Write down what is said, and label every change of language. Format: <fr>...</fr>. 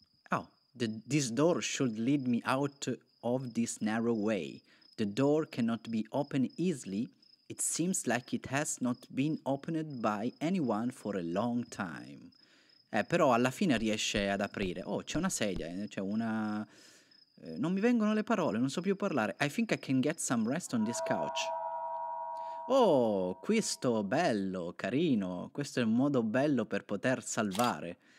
<en>Oh, this door should lead me out of this narrow way. The door cannot be opened easily. It seems like it has not been opened by anyone for a long time.</en> <it>Però alla fine riesce ad aprire. Oh, c'è una sedia, c'è una... Non mi vengono le parole, non so più parlare.</it> <en>I think I can get some rest on this couch.</en> <it>Oh, questo bello, carino. Questo è un modo bello per poter salvare.</it>